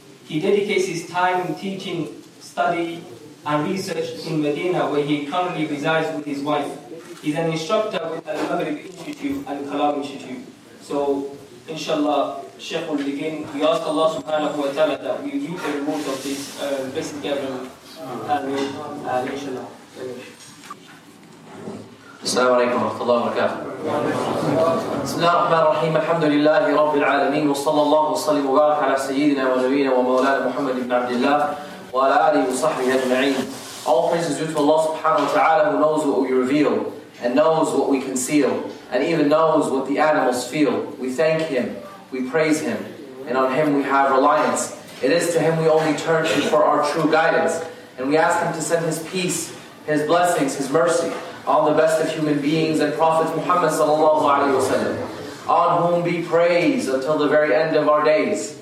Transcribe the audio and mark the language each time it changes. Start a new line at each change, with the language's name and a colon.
English: He dedicates his time in teaching, study, and research in Medina, where he currently resides with his wife. He's an instructor with the Al-Maghrib Institute and Kalam Institute. So, inshallah, Sheikh will begin. We ask Allah subhanahu wa ta'ala that we do the remote of this blessed gathering. Inshallah.
Arabic: السلام عليكم ورحمة الله وبركاته. بسم الله الرحمن الرحيم. الحمد لله رب العالمين وصلى الله وسلم وبارك على سيدنا ونبينا ومولانا محمد بن عبد الله وعلى آله وصحبه أجمعين.
English: All praises due to Allah subhanahu wa ta'ala, who knows what we reveal and knows what we conceal and even knows what the animals feel. We thank Him, we praise Him, and on Him we have reliance. It is to Him we only turn to for our true guidance, and we ask Him to send His peace, His blessings, His mercy on the best of human beings and Prophet Muhammad sallallahu alaihi wasallam, on whom be praise until the very end of our days.